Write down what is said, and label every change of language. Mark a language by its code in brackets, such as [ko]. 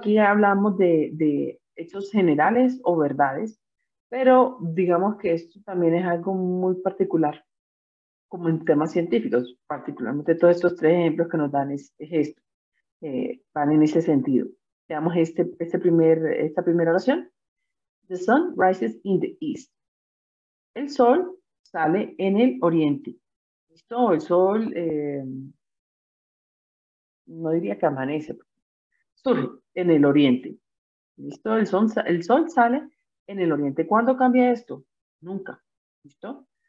[es] Aquí hablamos de hechos generales o verdades, pero digamos que esto también es algo muy particular, como en temas científicos, particularmente todos estos tres ejemplos que nos dan es esto, van en ese sentido. Veamos esta primera oración. [en] The sun rises in the east. [es] El sol sale en el oriente. ¿Listo? El sol, no diría que amanece, surge en el oriente. ¿Listo? El sol sale en el oriente. ¿Cuándo cambia esto? Nunca. ¿Listo?